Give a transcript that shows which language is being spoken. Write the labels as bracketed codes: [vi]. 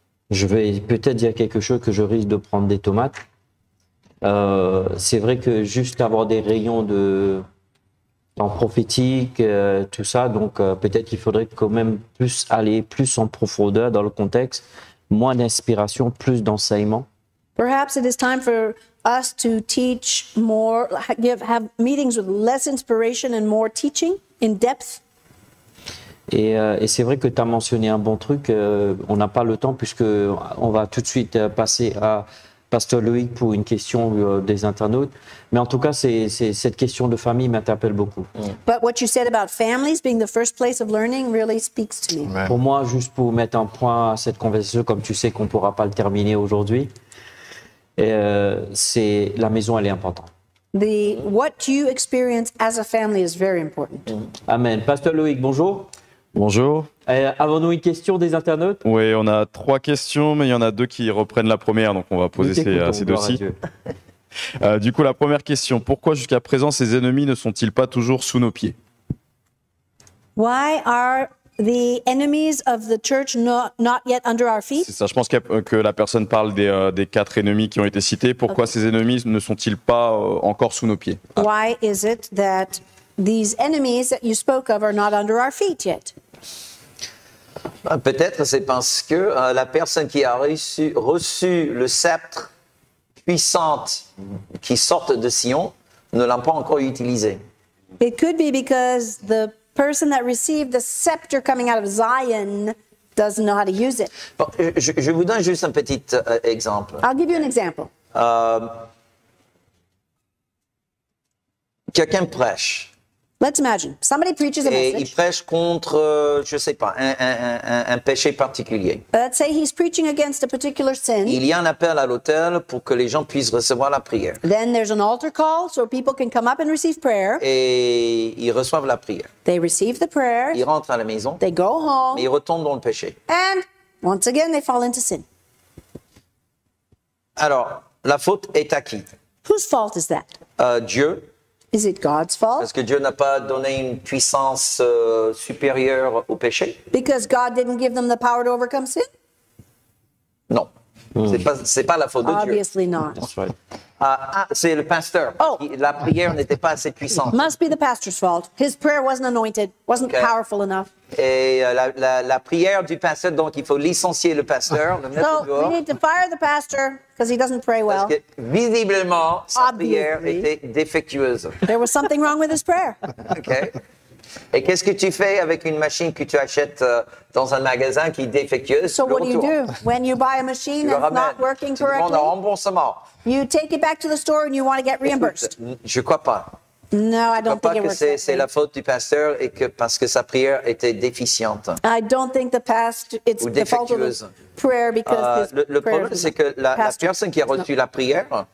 [fr] Je vais peut-être dire quelque chose que je risque de prendre des tomates. C'est vrai que juste avoir des rayons de temps prophétique, tout ça, donc peut-être qu'il faudrait quand même plus aller plus en profondeur dans le contexte, moins d'inspiration, plus d'enseignement. [en] Perhaps it is time for us to teach more, have meetings with less inspiration and more teaching in depth. [fr] Et c'est vrai que tu as mentionné un bon truc, on n'a pas le temps puisqu'on va tout de suite passer à Pasteur Loïc pour une question des internautes. Mais en tout cas, c'est cette question de famille m'interpelle beaucoup. [en] But what you said about families being the first place of learning really speaks to me. [fr] Pour moi, juste pour mettre un point à cette conversation, comme tu sais qu'on ne pourra pas le terminer aujourd'hui, c'est la maison, elle est importante. [en] The what you experience as a family is very important. [fr] Amen. Pasteur Loïc, bonjour. Bonjour. Avons-nous une question des internautes? Oui, on a trois questions, mais il y en a deux qui reprennent la première, donc on va poser ces deux-ci. Du coup, la première question, pourquoi jusqu'à présent ces ennemis ne sont-ils pas toujours sous nos pieds? [en] Why are the enemies of the church not yet under our feet? [fr] C'est ça, je pense que la personne parle des quatre ennemis qui ont été cités. Pourquoi ces ennemis ne sont-ils pas encore sous nos pieds? [en] Why is it that these enemies that you spoke of are not under our feet yet? [fr] Peut-être c'est parce que la personne qui a reçu le sceptre puissante qui sort de Sion ne l'a pas encore utilisé. [en] It could be because the person that received the scepter coming out of Zion doesn't know how to use it. [fr] Bon, je vous donne juste un petit exemple. [en] I'll give you an example. [fr] Quelqu'un prêche. [en] Let's imagine, somebody preaches a message. [fr] Et il prêche contre, je sais pas, un péché particulier. [en] Let's say he's preaching against a particular sin. [fr] Il y a un appel à l'autel pour que les gens puissent recevoir la prière. [en] Then there's an altar call so people can come up and receive prayer. [fr] Et ils reçoivent la prière. [en] They receive the prayer. [fr] Ils rentrent à la maison. [en] They go home. [fr] Mais ils retombent dans le péché. [en] And once again they fall into sin. [fr] Alors, la faute est à qui? [en] Whose fault is that? [fr] Dieu. [en] Is it God's fault? [fr] Parce que Dieu n'a pas donné une puissance supérieure au péché? [en] Because God didn't give them the power to overcome sin? [fr] Non. C'est pas la faute de Dieu. [en] Obviously not. That's right. [fr] C'est le pasteur. Oh. La prière n'était pas assez puissante. [en] Must be the pastor's fault. His prayer wasn't anointed, wasn't okay. Powerful enough. [fr] Et la prière du pasteur, donc il faut licencier le pasteur, le mettre dehors. [en] So, we need to fire the pastor because he doesn't pray well. [fr] Parce que visiblement, sa prière était défectueuse. [en] There was something wrong with his prayer. Okay. [fr] Et qu'est-ce que tu fais avec une machine que tu achètes dans un magasin qui est défectueuse? [en] So what do you do when you buy a machine that's not working correctly? [fr] Tu demandes un remboursement. [en] You take it back to the store and you want to get reimbursed. [fr] Je ne crois pas. [en] No, I don't think it works. [fr] C'est la faute du pasteur et que parce que sa prière était déficiente. [en] I don't think the pastor it's the fault of the prayer because his [fr] le problème c'est que la personne qui a reçu la prière.